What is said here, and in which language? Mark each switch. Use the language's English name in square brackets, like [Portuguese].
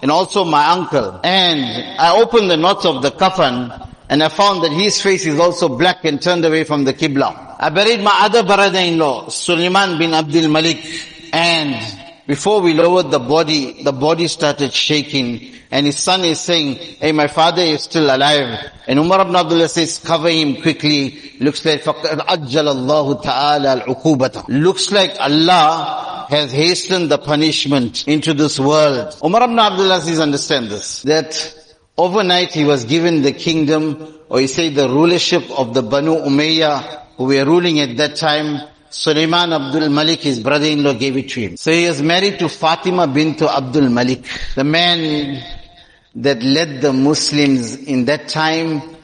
[English] And also my uncle. And I opened the knots of the kafan and I found that his face is also black and turned away from the Qibla. I buried my other brother-in-law, Suleiman bin Abdul Malik. And Before we lowered the body started shaking, and his son is saying, hey, my father is still alive. And Umar ibn Abdullah says, cover him quickly. Looks like, [Arabic] فَقَدْ أَجَّلَ اللَّهُ تَعَالَى الْعُقُوبَةَ. [English] Looks like Allah has hastened the punishment into this world. Umar ibn Abdullah says, understand this, that overnight he was given the kingdom, or you say the rulership of the Banu Umayyah, who were ruling at that time. Sulaiman Abdul Malik, his brother-in-law, gave it to him. So he was married to Fatima bint Abdul Malik, the man that led the Muslims in that time.